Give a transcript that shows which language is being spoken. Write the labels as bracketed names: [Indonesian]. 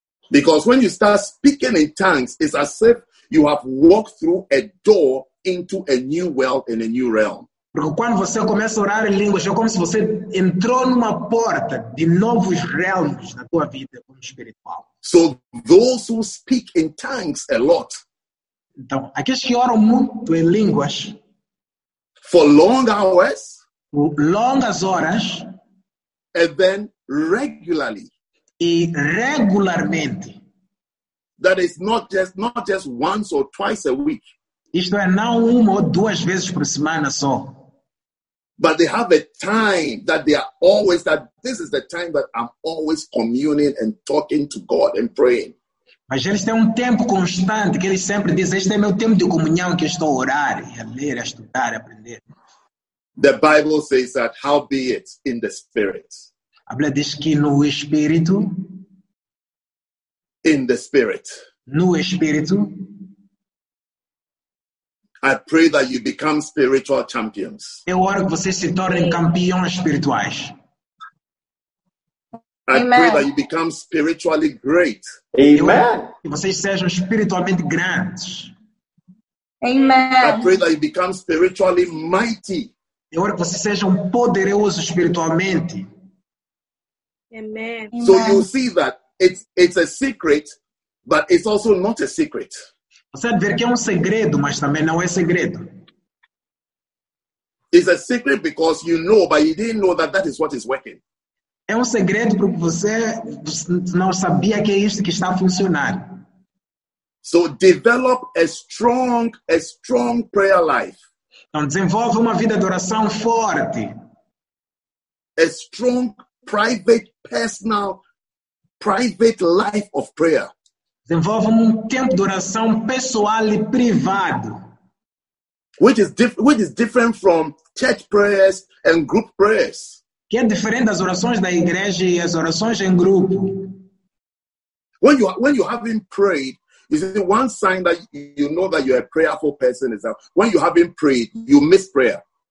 [English] Because when you start speaking in tongues, it's as if you have walked through a door into a new world and a new realm. [Portuguese] Porque quando você começa a orar em línguas, é como se você entrou numa porta de novos realms na tua vida como espiritual. [English] So those who speak in tongues a lot. [Portuguese] Então, aqueles que oram muito em línguas. [English] For long hours. [Portuguese] Longas horas. [English] And then regularly. [Portuguese] E regularmente. [English] That is not just once or twice a week. [Portuguese] Isto é não uma ou duas vezes por semana só. [English] But they have a time that they are always, that this is the time that I'm always communing and talking to God and praying. [Portuguese] Mas eles têm um tempo constante que eles sempre dizem, este é meu tempo de comunhão que eu estou a orar, a ler, a estudar, a aprender. [English] The Bible says that, how be it in the Spirit. [Portuguese] A Bíblia diz que no Espírito. [English] In the Spirit. [Portuguese] No Espírito. [English] I pray that you become spiritual champions. [Portuguese] Eu oro que vocês se tornem campeões espirituais. [English] Amen. I pray that you become spiritually great. Amen. [Portuguese] Que vocês sejam espiritualmente grandes. Amen. [English] I pray that you become spiritually mighty. [Portuguese] Eu oro que vocês sejam poderosos espiritualmente. Amen. [English] So you see that it's a secret, but it's also not a secret. [Portuguese] Você vê que é segredo, mas também não é segredo. [English] It's a secret because you know, but you didn't know that that is what is working. [Portuguese] É segredo porque você não sabia que é isso que está funcionando. [English] So develop a strong prayer life. [Portuguese] Então desenvolve uma vida de oração forte. [English] A strong private personal private life of prayer. [Portuguese] Desenvolve um tempo de oração pessoal e privado. [English] Which is different from church prayers and group prayers. [Portuguese] Que é diferente das orações da igreja e as orações em grupo. [English] When you haven't prayed, is it one sign that you know that you're a prayerful person is that when you haven't prayed, you miss prayer.